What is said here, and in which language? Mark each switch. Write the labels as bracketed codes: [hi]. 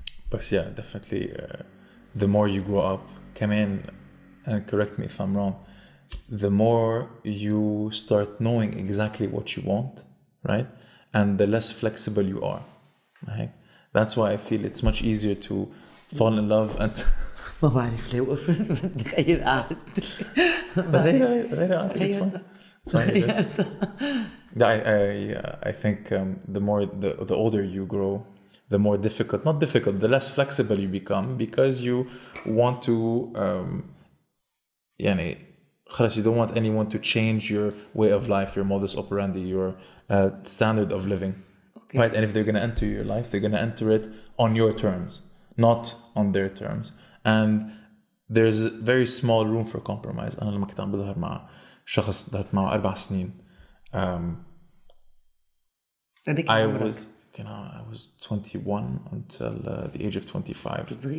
[en] But yeah, definitely the more you grow up, come in and correct me if I'm wrong, the more you start knowing exactly what you want, right? And the less flexible you are, right? That's why I feel it's much easier to fall in love and... [ar] ما بعرف ليه وقفت, بدي غير قعدة. غير قعدة, [en] it's fine. It's fine. I think the more, the older you grow, the more difficult, not difficult, the less flexible you become, because you want to, يعني, خلاص, you don't want anyone to change your way of life, your modus operandi, your standard of living. Okay. Right? And if they're going to enter your life, they're going to enter it on your terms, not on their terms. And there's very small room for compromise. [ar] أنا لما كنت عم بظهر مع شخص ذات معه 4 سنين, [en] I was 21 until the age of 25.